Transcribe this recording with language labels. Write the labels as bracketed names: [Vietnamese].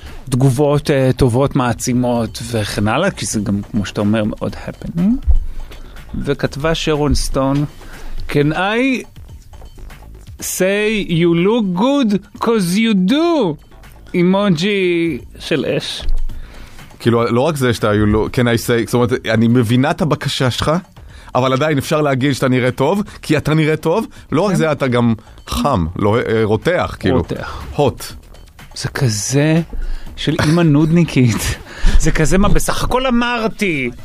[Hebrew] תגובות טובות מעצימות וכן הלאה, כי זה גם כמו שאתה אומר מאוד [English] happening. [Hebrew] וכתבה שרון סטון, [English] can I say you look good because you do, [Hebrew] אימוג'י של אש. כאילו לא רק זה שאתה [English] you look, can I say, [Hebrew] זאת אומרת אני מבינה את הבקשה שלך, אבל עדיין אפשר להגיד שאתה נראה טוב, כי אתה נראה טוב. לא רק זה, אתה גם חם, לא, רותח, כאילו. רותח. [English] Hot. [Hebrew] זה כזה... של אימא נודניקית. זה כזה, מה בסך הכל אמרתי?